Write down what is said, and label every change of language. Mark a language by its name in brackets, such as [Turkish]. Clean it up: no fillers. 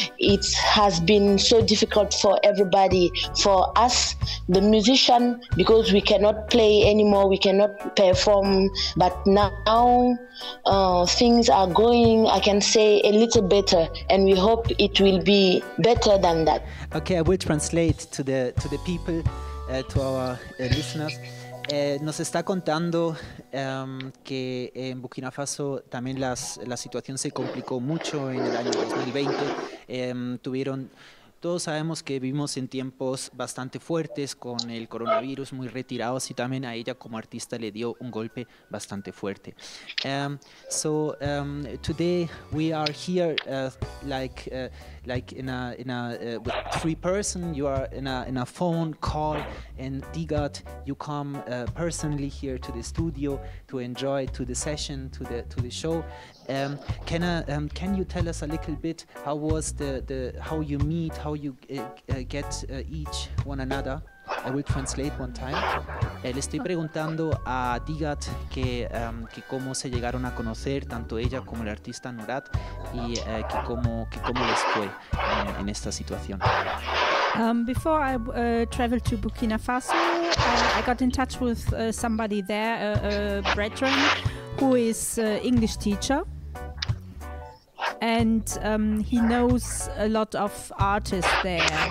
[English] It has been so difficult for everybody, for us, the musician, because we cannot play anymore, we cannot perform. But now things are going, I can say, a little better, and we hope it will be better than that. Okay, I will translate to the people, to our listeners. [Spanish] Nos está contando que en Burkina Faso también la situación se complicó mucho en el año 2020. Todos sabemos que vivimos en tiempos bastante fuertes con el coronavirus, muy retirados, y también a ella como artista le dio un golpe bastante fuerte. [English] Today we are here with three persons. You are in a phone call, and Dee Gad, you come personally here to the studio to enjoy to the session, to the show. Can you tell us a little bit how was the how you meet, how you get each one another? I will translate one time. [Spanish] Le estoy preguntando a Dee Gad que cómo se llegaron a conocer tanto ella como el artista Nourat y que cómo les fue en esta situación. [English] Before I traveled to Burkina Faso, I got in touch with somebody there, a brethren, who is an English teacher. And he knows a lot of artists there.